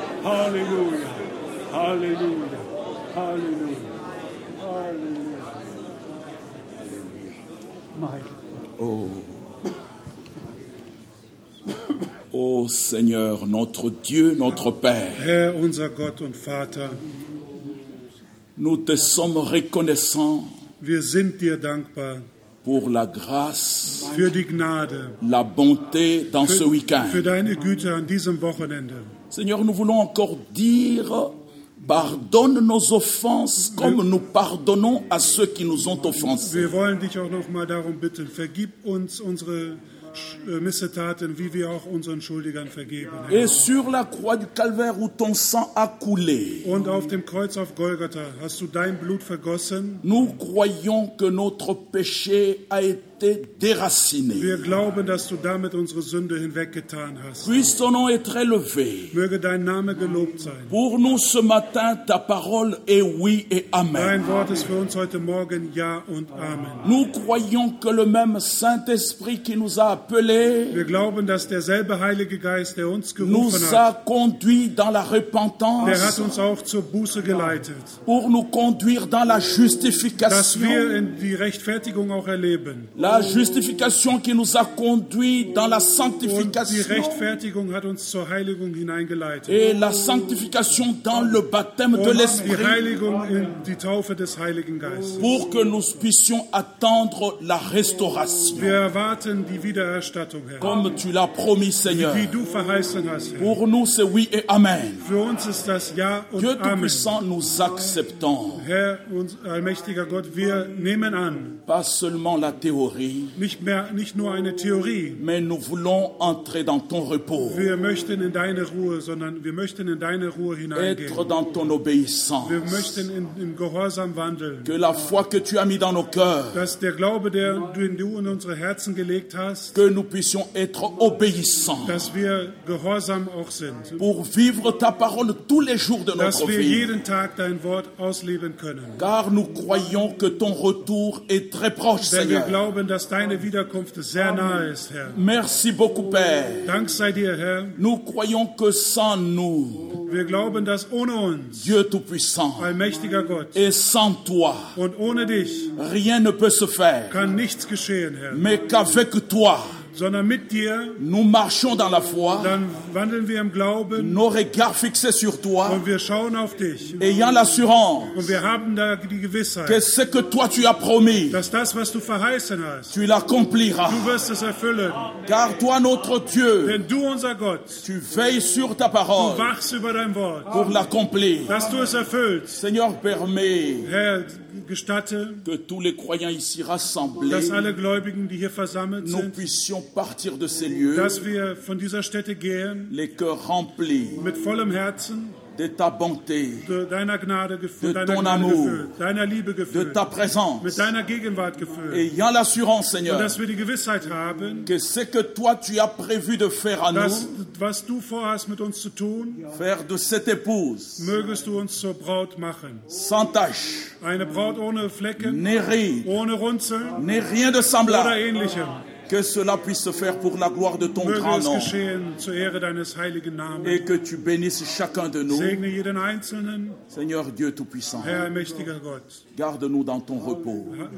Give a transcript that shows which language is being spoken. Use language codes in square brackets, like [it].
[de] Halleluja, Halleluja, Halleluja, Halleluja. Mein [fr] Ô Seigneur, notre Dieu, notre Père, [de] Herr, unser Gott und Vater, [fr] nous te sommes reconnaissants, [de] wir sind dir dankbar, [fr] pour la grâce, [de] für die Gnade, [fr] la bonté dans ce week-end, [de] für deine Güte an diesem Wochenende. [fr] Seigneur, nous voulons encore dire, pardonne nos offenses, comme nous pardonnons à ceux qui nous ont offensés. [de] Wir wollen dich auch noch mal darum bitten, vergib uns unsere Missetaten, wie wir auch unseren Schuldigern vergeben. [fr] Et sur la croix du Calvaire, où ton sang a coulé, [de] und auf dem Kreuz auf Golgatha hast du dein Blut vergossen. [fr] Nous croyons que notre péché a été déraciné. [de] Wir glauben, dass du damit unsere Sünde hinweggetan hast. [fr] Christ, ton nom est élevé. [de] Möge dein Name gelobt sein. [fr] Pour nous ce matin, ta parole est oui et amen. [de] Dein Wort ist für uns heute Morgen ja und amen. [fr] Nous croyons que le même Saint-Esprit qui nous a appelé, [de] wir glauben, dass derselbe Heilige Geist, der uns gerufen [fr] nous a conduit dans la repentance, [de] der hat uns auch zur Buße geleitet, [fr] pour nous conduire dans la justification, [de] dass wir in die Rechtfertigung auch erleben, [fr] la justification qui nous a conduit dans la sanctification, [de] und die Rechtfertigung hat uns zur Heiligung hineingeleitet, [fr] et la sanctification dans le baptême de l'Esprit, [de] die Heiligung in die Taufe des Heiligen Geistes, [fr] pour que nous puissions attendre la restauration, [de] wir erwarten die Wiedererstattung, Herr. [fr] Comme tu l'as promis, Seigneur. [de] Wie du verheißen hast, Herr. [fr] Pour nous, c'est oui et amen. [de] Für uns ist das ja und [fr] Dieu [de] amen. [fr] Puissant, nous acceptons. [de] Herr, allmächtiger Gott, wir nehmen an. [fr] Pas seulement la théorie, [de] nicht nur eine Theorie, [fr] mais nous voulons entrer dans ton repos. [de] Wir möchten in deine Ruhe, sondern wir möchten in deine Ruhe hineingehen. [fr] Être dans ton obéissance. [de] Wir möchten in Gehorsam wandeln. [fr] Que la foi que tu as mis dans nos cœurs, [de] dass der Glaube, der du in unsere Herzen gelegt hast, [fr] que nous puissions être obéissants, [de] dass wir gehorsam auch sind, [fr] pour vivre ta parole tous les jours de [de] dass [fr] notre [de] wir [fr] vie, [de] jeden Tag dein Wort ausleben können, [fr] car nous croyons que ton retour est très proche, [de] denn [fr] Seigneur, [de] wir glauben, dass deine Wiederkunft sehr nahe ist, Herr. [fr] Merci beaucoup, Père. [de] Dank sei dir, Herr. [fr] Nous croyons que sans nous, [de] wir glauben, dass ohne uns, [fr] Dieu Tout-Puissant, [de] allmächtiger Gott, [fr] et sans toi, [de] und ohne dich, [fr] rien ne peut se faire, [de] kann nichts geschehen, Herr. [fr] Mais qu'avec toi, [de] sondern mit dir, [fr] nous marchons dans la foi, [de] dann wandeln wir im Glauben, [fr] nos regards fixés sur toi, [de] und wir schauen auf dich, [fr] ayant l'assurance, [de] und wir haben da die Gewissheit, [fr] que ce que toi tu as promis, [de] dass das, was du verheißen hast, [fr] tu l'accompliras, [de] du wirst es erfüllen. [fr] Car toi, notre Dieu, [de] denn du, unser Gott, [fr] tu veilles sur ta parole, [de] du wachst über dein Wort, [fr] pour l'accomplir, [de] dass du es erfüllst. [fr] Seigneur, permet, [de] Herr, gestatte, [fr] que tous les croyants ici rassemblés, [de] dass alle Gläubigen, die hier versammelt sind, [fr] nous puissions partir de ces lieux, [de] dass wir von dieser Stätte gehen, [fr] les cœurs remplis, [de] mit vollem Herzen, [fr] de ta bonté, [de] de deiner Gnade gefüllt, [fr] de [de] deiner [fr] ton [de] Gnade [fr] amour, [de] gefüllt, deiner Liebe gefüllt, [fr] de ta présence, [de] mit deiner Gegenwart gefüllt, [fr] ayant l'assurance, Seigneur, [de] und dass wir die Gewissheit haben, [fr] que ce que toi tu as prévu de faire à [de] dass, [fr] nous, [de] was du vorhast mit uns zu tun, [fr] faire de cette épouse, [de] mögest du uns zur Braut machen, [fr] sans tache, [de] eine Braut ohne Flecken, [fr] ne ride, [de] ohne Runzeln, [fr] ne rien de semblable, [de] oder ähnlichem. [fr] Que cela puisse se faire pour la gloire de ton [de] möge [fr] grand nom. [de] Geschehen zur Ehre deines heiligen Namens. [fr] Et que tu bénisses chacun de nous. [de] Segne jeden Einzelnen. [fr] Seigneur Dieu Tout-Puissant. [de] Herr, mächtiger Gott. [fr] Garde-nous dans ton repos.